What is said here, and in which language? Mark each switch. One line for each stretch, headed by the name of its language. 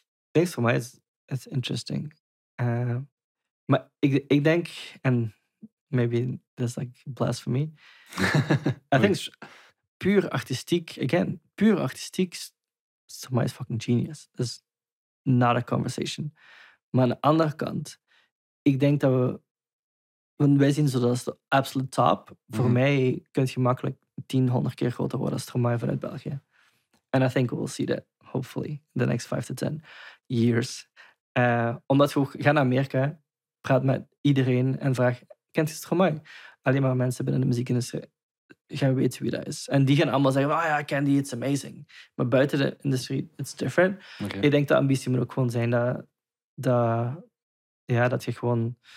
English: Thanks for my, it's interesting.
Dutch: Maar ik denk, en
English: maybe that's like blasphemy, I think
Dutch: puur artistiek, again, puur artistiek,
English: Stromae is fucking genius. That's not a conversation.
Dutch: Maar aan de andere kant, ik denk dat we, want wij zien zo dat is de absolute top. Voor mij kun je makkelijk 1000 keer groter worden als Stromae vanuit België.
English: And I think we'll see that, hopefully, in the next 5 to 10 years.
Dutch: Omdat we gaan naar Amerika, praat met iedereen en vraag, kent je Stromae? Alleen maar mensen binnen de muziekindustrie gaan weten wie dat is. En die gaan allemaal zeggen, ik ken die,
English: it's amazing.
Dutch: Maar buiten de industrie,
English: it's different.
Dutch: Okay. Ik denk dat de ambitie moet ook gewoon zijn dat je gewoon